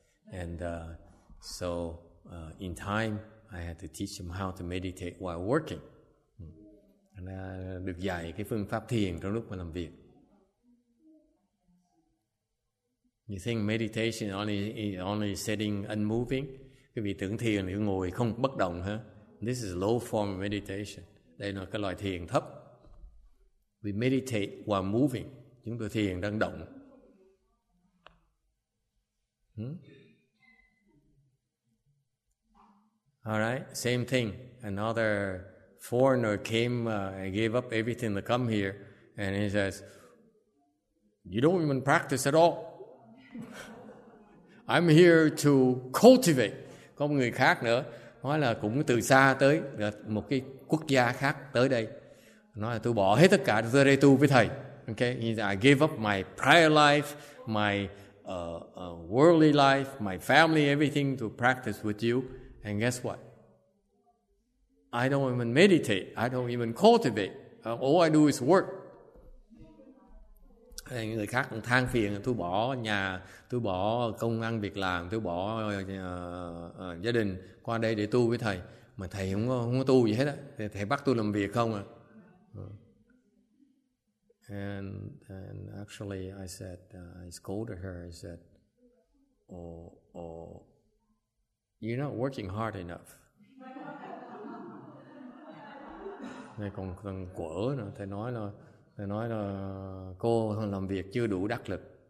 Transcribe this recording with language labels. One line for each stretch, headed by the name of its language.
English: And so in time, I had to teach them how to meditate while working.
Vietnamese: And được dạy cái phương pháp thiền trong lúc mà làm việc.
English: You think meditation only sitting unmoving?
Vietnamese: Quý vị tưởng thiền thì ngồi không bất động hả?
English: This is low form of meditation.
Vietnamese: Đây là cái loại thiền thấp.
English: We meditate while moving.
Vietnamese: Chúng tôi thiền đang động.
English: All right, same thing. Another foreigner came and gave up everything to come here. And he says, you don't even practice at all. I'm here to cultivate.
Vietnamese: Có một người khác nữa nói là cũng từ xa tới một cái quốc gia khác tới đây, nói là tôi bỏ hết tất cả tôi đây tu với thầy.
English: Okay, he said, I gave up my prior life, my worldly life, my family, everything to practice with you. And guess what? I don't even meditate. I don't even cultivate. All I do is work.
Vietnamese: Người khác cũng than phiền, tôi bỏ nhà, tôi bỏ công ăn việc làm, tôi bỏ gia đình qua đây để tu với thầy. Mà thầy không có tu gì hết á. Thầy bắt tôi làm việc không à?
English: And actually, I said, I scolded her. I said, oh, you're not working hard enough.
Vietnamese: Này còn thằng quở nữa, thầy nói là cô làm việc chưa đủ đắc lực.